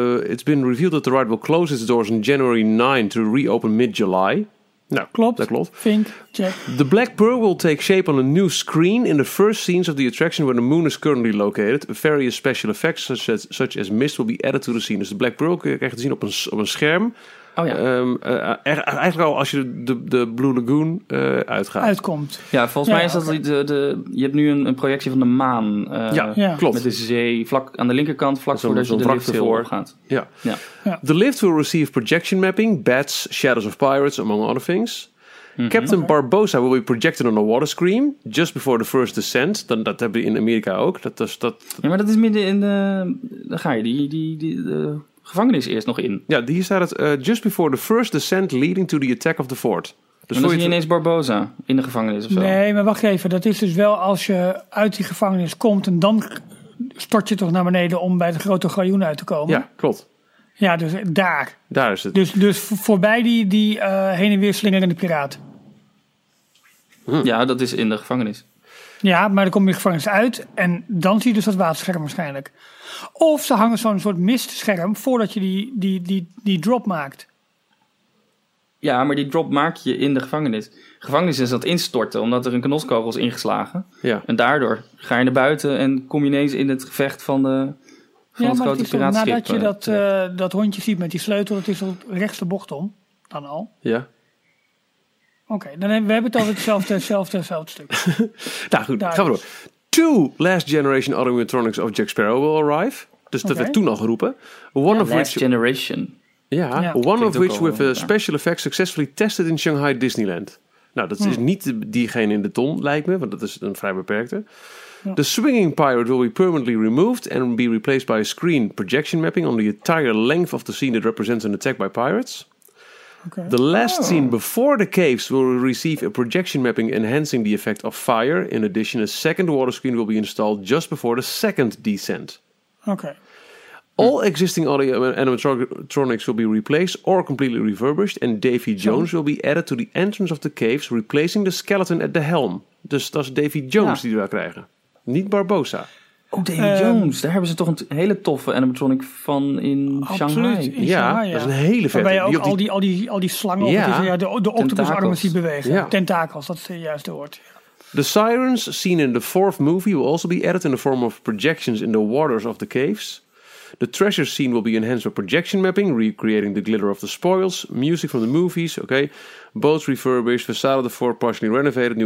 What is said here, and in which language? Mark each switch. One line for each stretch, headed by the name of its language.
English: It's been revealed that the ride will close its doors on January 9 to reopen mid-July.
Dutch: Nou, klopt. Dat klopt. Fink, check.
English: The Black Pearl will take shape on a new screen in the first scenes of the attraction where the moon is currently located. Various special effects such as mist will be added to the scene.
Dutch: Dus de Black Pearl krijg je te zien op een scherm. Oh ja. Eigenlijk al als je de Blue Lagoon uitgaat. Uitkomt. Ja, volgens mij is dat okay. Je hebt nu een projectie van de maan. Klopt. Met de zee vlak aan de linkerkant, vlak voor de lift ervoor gaat. Ja. Ja.
English: The lift will receive projection mapping, bats, shadows of pirates, among other things. Mm-hmm. Captain Barbossa will be projected on a water screen just before the first descent.
Dutch: Dat hebben we in Amerika ook. Ja, maar dat is midden in de... Daar ga je, die gevangenis eerst nog in. Ja, hier staat het.
English: Just before the first descent leading to the attack of the fort.
Dutch: Dus dan zie je ineens Barbossa in de gevangenis of zo. Nee, maar wacht even. Dat is dus wel als je uit die gevangenis komt en dan stort je toch naar beneden om bij de grote galjoen uit te komen. Ja, klopt. Ja, dus daar. Daar is het. Dus voorbij die heen en weer slingerende piraat. Ja, dat is in de gevangenis. Ja, maar dan kom je gevangenis uit en dan zie je dus dat waterscherm waarschijnlijk. Of ze hangen zo'n soort mistscherm voordat je die drop maakt. Ja, maar die drop maak je in de gevangenis. Gevangenis is dat instorten omdat er een knoskogel is ingeslagen. Ja. En daardoor ga je naar buiten en kom je ineens in het gevecht van de van het grote piraatschip. Nadat je dat hondje ziet met die sleutel, dat is al rechts de bocht om dan al. Ja. Oké, dan hebben we het over hetzelfde stuk. Nou goed, gaan we door.
English: 2 last generation animatronics of Jack Sparrow will arrive.
Dutch: Dus dat werd toen al geroepen.
English: One of which with a special effect successfully tested in Shanghai Disneyland.
Dutch: Nou, dat is niet diegene in de ton, lijkt me, want dat is een vrij beperkte. Ja.
English: The swinging pirate will be permanently removed and be replaced by a screen projection mapping on the entire length of the scene that represents an attack by pirates. Okay. The last scene before the caves will receive a projection mapping enhancing the effect of fire. In addition, a second water screen will be installed just before the second descent. Okay. All existing audio animatronics will be replaced or completely refurbished. And Davy Jones will be added to the entrance of the caves, replacing the skeleton at the helm.
Dutch: Dus dat is Davy Jones die we daar krijgen. Niet Barbossa. Oh, Davy Jones. Daar hebben ze toch een hele toffe animatronic van in Shanghai. Absoluut. Ja, dat is een hele vette. Waarbij je ook al die slangen de octopusarmen ziet bewegen. Ja. Tentakels, dat is juist de woord.
English: The sirens seen in the fourth movie will also be added in the form of projections in the waters of the caves. The treasure scene will be enhanced with projection mapping, recreating the glitter of the spoils. Music from the movies, okay. Boats refurbished, facade of the fort partially renovated.